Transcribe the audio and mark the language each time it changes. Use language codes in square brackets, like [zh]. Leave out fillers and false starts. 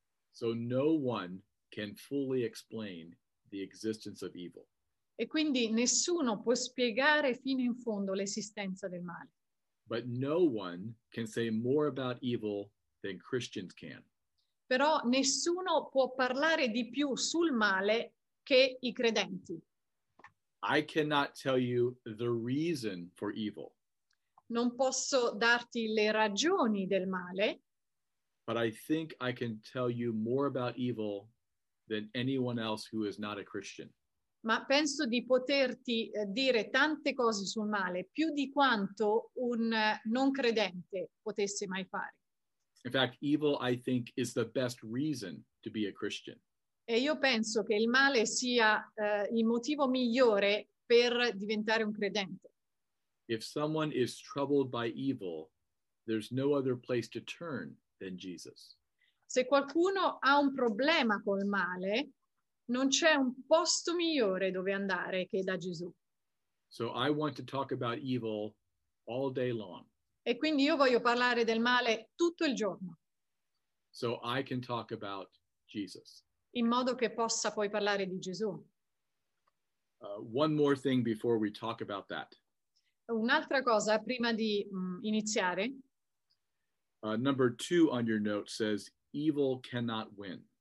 [en] So no one can fully explain the existence of evil. [it] E quindi nessuno può spiegare fino in fondo l'esistenza del male. [en] But no one can say more about evil than Christians can. [it] Però nessuno può parlare di più sul male che i credenti. [en] I cannot tell you the reason for evil. [it] Non posso darti le ragioni del male. [en] But I think I can tell you more about evil than anyone else who is not a Christian. [it] Ma penso di poterti dire tante cose sul male, più di quanto un non credente potesse mai fare. [en] In fact, evil, I think, is the best reason to be a Christian. [it] E io penso che il male sia il motivo migliore per diventare un credente. [en] If someone is troubled by evil, there's no other place to turn than Jesus. [it] Se qualcuno ha un problema col male, non c'è un posto migliore dove andare che da Gesù. [en] So I want to talk about evil all day long. [it] E quindi io voglio parlare del male tutto il giorno. [en] So I can talk about Jesus. [it] In modo che possa poi parlare di Gesù. [en] One more thing before we talk about that. [it] Un'altra cosa prima di iniziare. [en] Number two on your note says evil cannot win.